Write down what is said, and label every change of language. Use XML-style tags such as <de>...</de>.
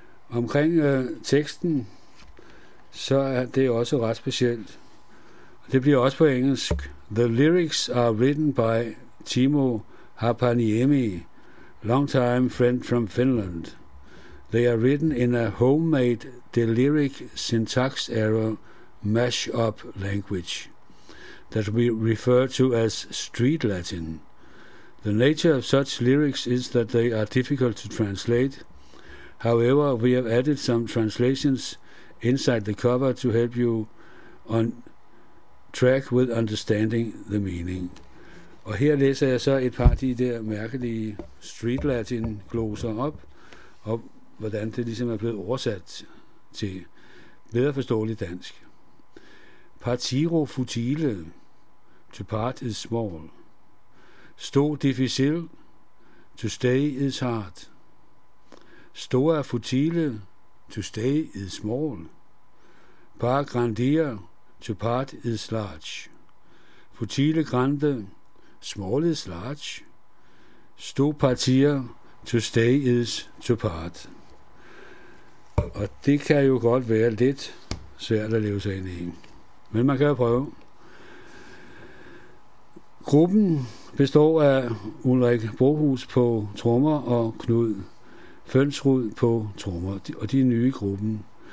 <da>Omkring teksten, så er det også ret specielt. Det bliver også på engelsk.</da> <en>The lyrics are written by Timo Haapaniemi, longtime friend from Finland. They are written in a homemade deliric syntax error mash-up language that we refer to as street Latin. The nature of such lyrics is that they are difficult to translate. However, we have added some translations inside the cover to help you on track with understanding the meaning.</en> <da>Og her læser jeg så et par af de der mærkelige street latin gloser op, og hvordan det ligesom er blevet oversat til bedre forståeligt dansk.</da> <en>Partiro futile, to part is small. Sto difficile, to stay is hard. Store futile, to stay is small. Par grandier, to part is large. Futile grande, small is large. Sto partier, To stay is to part.</en> <da>Og det kan jo godt være lidt svært at leve sig ind i. Men man kan jo prøve. Gruppen består af Ulrik Brohus på trommer og Knud Fønsrud på trommer, og de er nye i gruppen.</da>